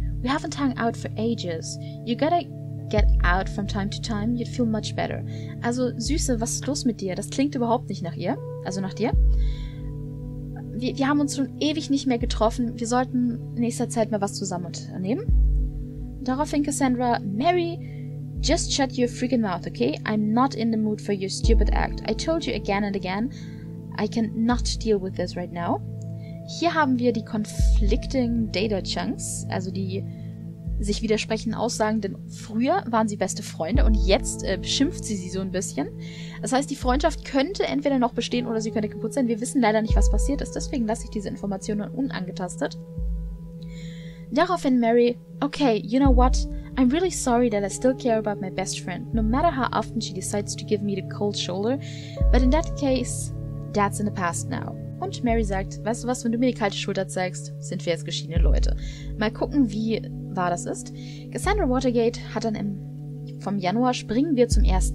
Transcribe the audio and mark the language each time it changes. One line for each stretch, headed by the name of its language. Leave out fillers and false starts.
English: We haven't hung out for ages. You gotta get out from time to time, you'd feel much better.
German: Also, Süße, was ist los mit dir? Das klingt überhaupt nicht nach ihr. Also nach dir. Wir haben uns schon ewig nicht mehr getroffen. Wir sollten in nächster Zeit mal was zusammen unternehmen. Daraufhin
English: Cassandra, Mary, just shut your freaking mouth, okay? I'm not in the mood for your stupid act. I told you again and again, I cannot deal with this right now.
German: Hier haben wir die
English: conflicting data chunks,
German: also die sich widersprechenden Aussagen, denn früher waren sie beste Freunde und jetzt beschimpft sie so ein bisschen. Das heißt, die Freundschaft könnte entweder noch bestehen oder sie könnte kaputt sein. Wir wissen leider nicht, was passiert ist, deswegen lasse ich diese Informationen unangetastet. Daraufhin
English: Mary, okay, you know what? I'm really sorry that I still care about my best friend, no matter how often she decides to give me the cold shoulder, but in that case, that's in the past now.
German: Und Mary sagt, weißt du was, wenn du mir die kalte Schulter zeigst, sind wir jetzt geschiedene Leute. Mal gucken, wie wahr das ist. Cassandra Watergate hat dann vom Januar springen wir zum 1.